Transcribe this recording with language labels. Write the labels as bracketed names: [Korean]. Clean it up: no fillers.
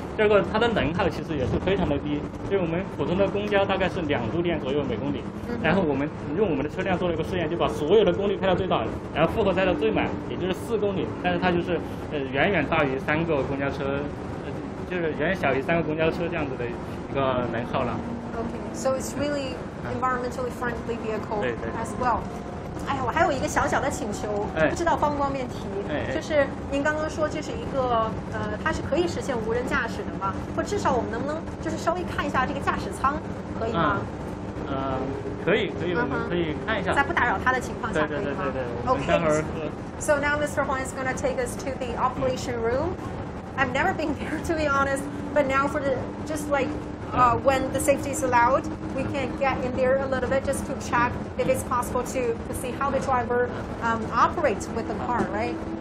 [Chinese] 第二个，它的能耗其实也是非常的低，就我们普通的公交大概是两度电左右每公里，然后我们用我们的车辆做了一个试验，就把所有的功率开到最大，然后负荷开到最满，也就是四公里，但是它就是远远大于三个公交车，就是远小于三个公交车这样子的一个能耗了。 [English] Okay, so it's really environmentally friendly vehicle as well. [Chinese] 哎呀，我还有一个小小的请求，不知道方不方便提，就是您刚刚说这是一个它是可以实现无人驾驶的吗？或至少我们能不能就是稍微看一下这个驾驶舱，可以吗？可以，我们可以看一下，在不打扰它的情况下，可以吗？对。 [English] Okay. So now Mr. Huang is going to take us to the operation room. I've never been there, to be honest. But now for the just like. When the safety is allowed, we can get in there a little bit just to check if it's possible to see how the driver operates with the car, right?